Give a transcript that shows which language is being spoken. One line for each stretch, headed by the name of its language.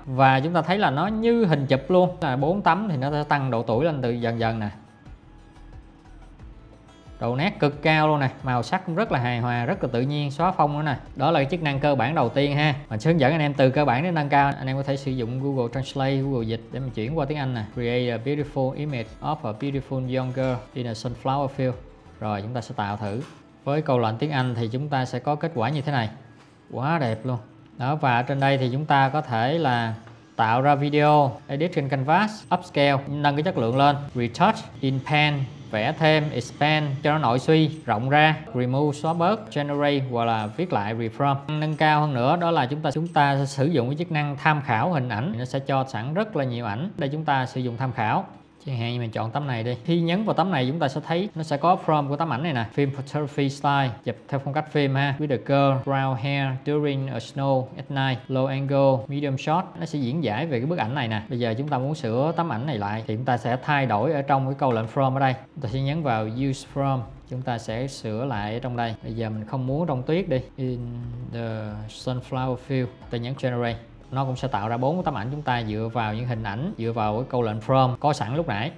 Vietnamese: Và chúng ta thấy là nó như hình chụp luôn. Là 4 tấm thì nó sẽ tăng độ tuổi lên từ dần dần nè. Độ nét cực cao luôn nè, màu sắc cũng rất là hài hòa, rất là tự nhiên, xóa phông nữa nè. Đó là cái chức năng cơ bản đầu tiên ha. Mình sẽ hướng dẫn anh em từ cơ bản đến nâng cao. Anh em có thể sử dụng Google Translate, Google Dịch để mình chuyển qua tiếng Anh nè.
English: Create a beautiful image of a beautiful young girl in a sunflower field.
Vietnamese: Rồi chúng ta sẽ tạo thử. Với câu lệnh tiếng Anh thì chúng ta sẽ có kết quả như thế này. Quá đẹp luôn. Đó, và ở trên đây thì chúng ta có thể là tạo ra video, edit trên canvas, upscale, nâng cái chất lượng lên, retouch in pen, vẽ thêm, expand cho nó nội suy, rộng ra, remove, xóa bớt, generate hoặc là viết lại, reform. Nâng cao hơn nữa đó là chúng ta sẽ sử dụng cái chức năng tham khảo hình ảnh. Nó sẽ cho sẵn rất là nhiều ảnh để chúng ta sử dụng tham khảo. Chẳng hạn như mình chọn tấm này đi. Khi nhấn vào tấm này chúng ta sẽ thấy nó sẽ có form của tấm ảnh này nè.
English: Film photography style,
Vietnamese: chụp theo phong cách phim ha.
English: With a girl, brown hair, during a snow at night, low angle, medium shot.
Vietnamese: Nó sẽ diễn giải về cái bức ảnh này nè. Bây giờ chúng ta muốn sửa tấm ảnh này lại thì chúng ta sẽ thay đổi ở trong cái câu lệnh from ở đây. Chúng ta sẽ nhấn vào use from. Chúng ta sẽ sửa lại ở trong đây. Bây giờ mình không muốn trong tuyết đi.
English: In the sunflower field.
Vietnamese: Ta nhấn generate. Nó cũng sẽ tạo ra 4 tấm ảnh chúng ta dựa vào những hình ảnh, dựa vào cái câu lệnh from có sẵn lúc nãy.